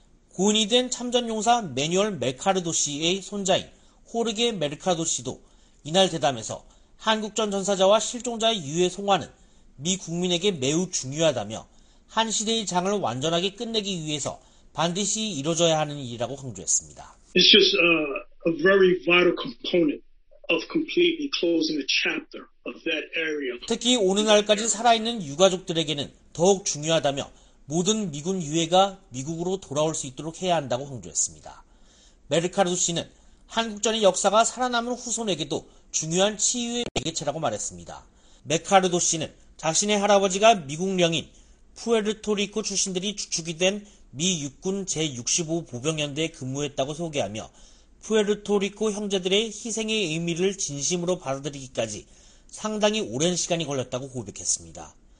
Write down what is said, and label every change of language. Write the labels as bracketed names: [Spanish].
[Korean] 고인이 된 참전용사 매뉴얼 메카르도 씨의 손자인 호르게 메르카르도 씨도 이날 대담에서 한국전 전사자와 실종자의 유해 송환은 미 국민에게 매우 중요하다며 한 시대의 장을 완전하게 끝내기 위해서 반드시 이루어져야 하는 일이라고 강조했습니다. [English] It's just a very vital component of completely closing the chapter of that area. [Korean] 특히 오늘날까지 살아있는 유가족들에게는 더욱 중요하다며 모든 미군 유해가 미국으로 돌아올 수 있도록 해야 한다고 강조했습니다. 메르카르도 씨는 한국전의 역사가 살아남은 후손에게도 중요한 치유의 매개체라고 말했습니다. 메카르도 씨는 자신의 할아버지가 미국 령인 푸에르토리코 출신들이 주축이 된 미 육군 제65보병연대에 근무했다고 소개하며 푸에르토리코 형제들의 희생의 의미를 진심으로 받아들이기까지 상당히 오랜 시간이 걸렸다고 고백했습니다.